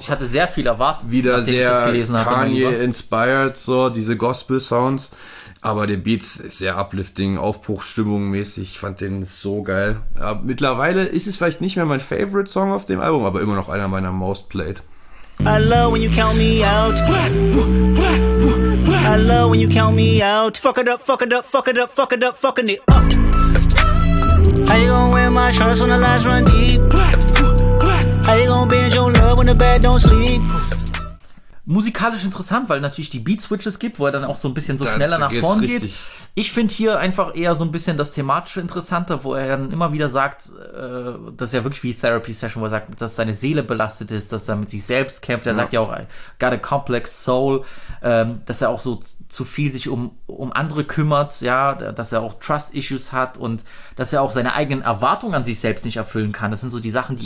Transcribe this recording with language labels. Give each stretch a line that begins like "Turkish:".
German: Ich hatte sehr viel erwartet, wieder sehr Kanye-inspired, so diese Gospel-Sounds. Aber der Beat ist sehr uplifting, Aufbruchsstimmung mäßig, ich fand den so geil. Ja, mittlerweile ist es vielleicht nicht mehr mein Favorite Song auf dem Album, aber immer noch einer meiner Most Played.
English: I love when you count me out. I love when you count me out. Fuck it up, fuck it up, fuck it up, fuck it up, fucking it up. How you gonna wear my shorts when the lines run deep? How you gonna bend your love when the bed don't sleep?
German: Musikalisch interessant, weil natürlich die Beat-Switches gibt, wo er dann auch so ein bisschen so schneller nach vorn geht. Ich finde hier einfach eher so ein bisschen das thematische Interessante, wo er dann immer wieder sagt, das ist ja wirklich wie Therapy-Session, wo er sagt, dass seine Seele belastet ist, dass er mit sich selbst kämpft. Er sagt ja auch,
English: I got a complex soul,
German: dass er auch so zu viel sich um andere kümmert, ja, dass er auch Trust-Issues hat und dass er auch seine eigenen Erwartungen an sich selbst nicht erfüllen kann. Das sind so die Sachen, die